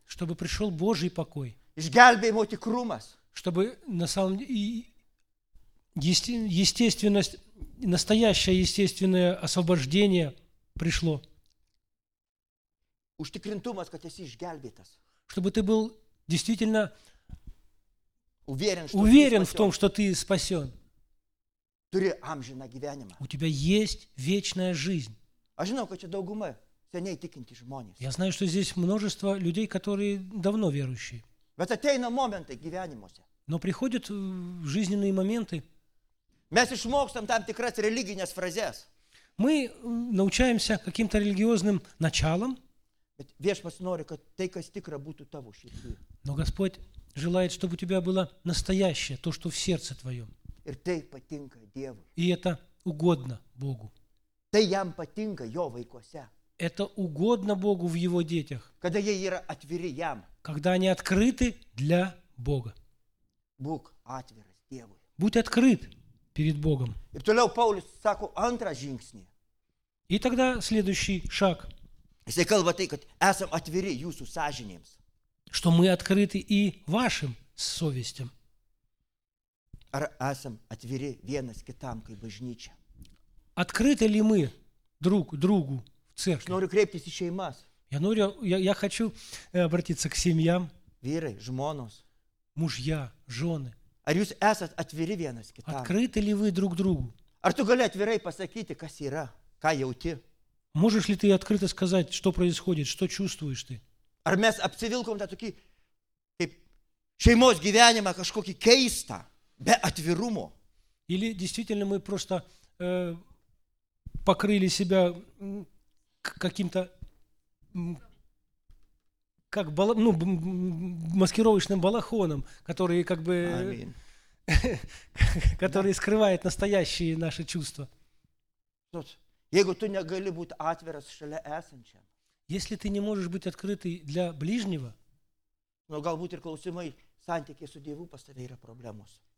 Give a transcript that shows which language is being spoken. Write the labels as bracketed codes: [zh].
[ru] Чтобы пришел Божий покой. [lt] Išgelbėjimo tikrumas. [ru] Чтобы на самом деле естественность, настоящее естественное освобождение пришло. [lt] Užtikrintumas, kad esi išgelbėtas. [ru] Чтобы ты был действительно уверен в том, что ты спасен. [lt] Turi amžiną gyvenimą. [ru] У тебя есть вечная жизнь. [lt] Aš žinau, kad čia dauguma seniai tikintys žmonės. [ru] Я знаю, что здесь множество людей, которые давно верующие. [lt] Bet ateina momentai gyvenimuose. [ru] Но приходят жизненные моменты. [lt] Mes išmokstam tam tikras religinės frazes. [ru] Мы научаемся каким-то религиозным началам. [lt] Bet Viešpats nori, kad tai, kas tikra, būtų tavo širdyje. [ru] Но Господь желает, чтобы у тебя было настоящее, то, что в сердце твоем. [lt] Ir tai patinka Dievui. [ru] И это угодно Богу. [lt] Tai jam patinka jo vaikuose. [ru] Это угодно Богу в его детях. [lt] Когда jie yra atviri jam. [ru] Когда они открыты для Бога. [lt] Бог atviras Dievui. [ru] Будь открыт перед Богом. [lt] Ir toliau Paulius sako antrą žingsnį. [ru] И тогда следующий шаг. [lt] Jisai kalba tai, kad esam atviri jūsų sąžinėms. [ru] Что мы открыты и вашим совестям. [lt] Ar esam atviri vienas kitam, kaip bažnyčia. [ru] Открыты ли мы друг другу в церкви? [lt] Noriu kreiptis į šeimas. [ru] Я хочу обратиться к семьям. [lt] Vyrai, žmonos. [ru] Мужья, жены. [lt] Ar jūs esat atviri vienas kitam? [ru] Открыты ли вы друг другу? [lt] Ar tu gali atvirai pasakyti, kas yra, ką jauti? [ru] Можешь ли ты открыто сказать, что происходит, что чувствуешь ты? [lt] Ar mes apsivilkom tą tokį, kaip šeimos gyvenimą kažkokį keistą, be atvirumo? [ru] Или действительно мы просто покрыли себя каким-то, как маскировочным балахоном, который как бы, который скрывает настоящие наши чувства? [lt] Jeigu tu negali būti atviras šalia esančiam. [ru] Если ты не можешь быть открытый для ближнего, [lt] Но, galbūt, ir klausimai, santykiai su Dievu pas tave yra problemos.